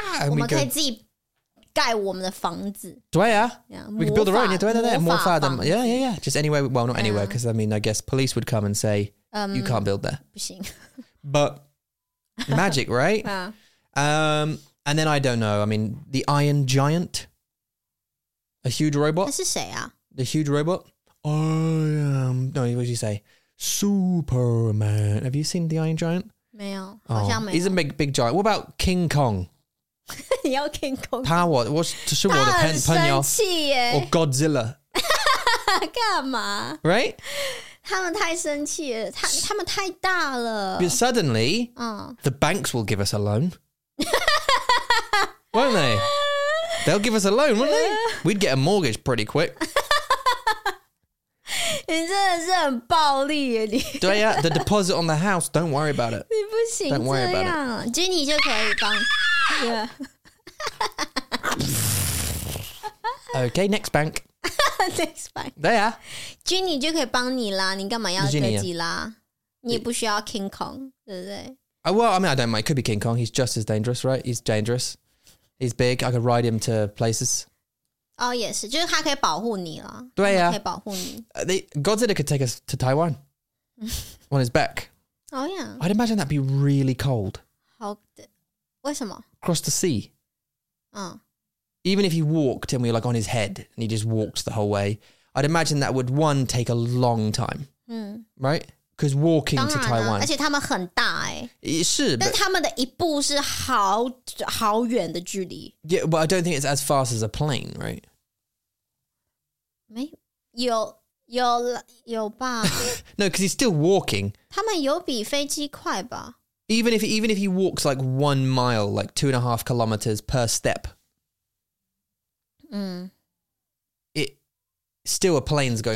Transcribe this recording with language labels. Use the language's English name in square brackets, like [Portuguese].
[Chinese] 我们可以自己盖我们的房子。对啊。 [English] We can build our own. Yeah, [Chinese] 魔法房子。 [English] Yeah, yeah, yeah. Just anywhere. Well, not anywhere, because, I mean, I guess police would come and say, you can't build there. [Chinese] 不行。 [English] But... Magic, right? And then I don't know. I mean, the Iron Giant. A huge robot. [Chinese] 那是谁啊? [English] The huge robot. I am... No, what did you say? Superman. Have you seen the Iron Giant? [Chinese] 没有,好像没有。 [English] He's a big, big giant. What about King Kong? [Chinese] 你要 King Kong? 他我,我是,是我的朋友。他很生气耶。 [English] Or Godzilla. [Chinese] 干嘛? [English] Right? [Chinese] 他们太生气了，他们太大了。 [English] But suddenly, the banks will give us a loan. won't they? They'll give us a loan, won't they? We'd get a mortgage pretty quick. [Chinese] 你真的是很暴力耶，你。对啊, [English] the deposit on the house, don't worry about it. [Chinese] 你不行这样。Ginny就可以帮。 [English] Okay, next bank. Thanks, bye. [Chinese] 对啊，Ginny 就可以帮你啦。你干嘛要哥吉拉？你也不需要 King Kong， 对不对 [English] ？Well, I mean, I don't mind. Could be King Kong. He's just as dangerous, right? He's dangerous. He's big. I could ride him to places. Oh, yes. [Chinese] 就是他可以保护你啦。对啊，可以保护你。 [English] Godzilla could take us to Taiwan on his back. Oh yeah. I'd imagine that'd be really cold. [Chinese] 好的，为什么 [English] ？Cross the sea. Even if he walked and we were like on his head and he just walked the whole way, I'd imagine that would, one, take a long time. Right? Because walking to Taiwan. [Chinese] 而且他们很大欸。是。但他们的一步是好好远的距离。 [English] Yeah, but I don't think it's as fast as a plane, right? [Chinese] 没有。有吧。 [English] No, because he's still walking. [Chinese] 他们有比飞机快吧。 [English] Even if he walks like 1 mile, like 2.5 kilometers per step,It still a plane's going